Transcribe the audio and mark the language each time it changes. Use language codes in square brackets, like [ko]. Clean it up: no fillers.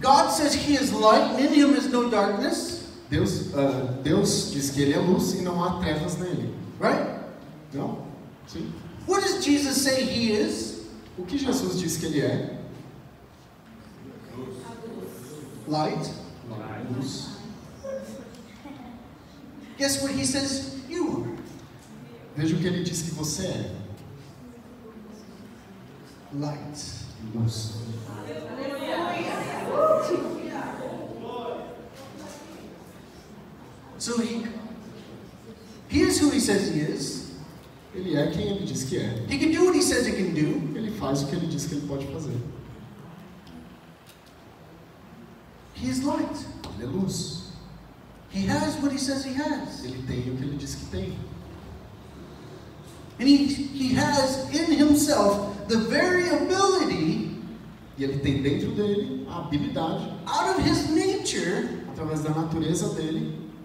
[en] God says He is light, in Him is no darkness. [pt] Deus diz que Ele é luz e não há trevas nele. [en] Right? [pt] Não? Sim. [en] What does Jesus say He is? [pt] O que Jesus diz que Ele é? Luz. [en] Light. [pt] Luz. [en] Guess what He says you are. [pt] Veja o que Ele diz que você é. [en] Light. [pt] Luz. [en] So He is who He says He is. [pt] Ele é quem Ele diz que é. [en] He can do what He says He can do. [pt] Ele faz o que Ele diz que Ele pode fazer. [en] He is light. [pt] Ele é luz. [en] He has what He says He has. [pt] Ele tem o que Ele diz que tem. [en] And he has in Himself the very ability. [pt] E Ele tem dentro dele a habilidade. [en] Out of His nature. [pt] Através da natureza dele.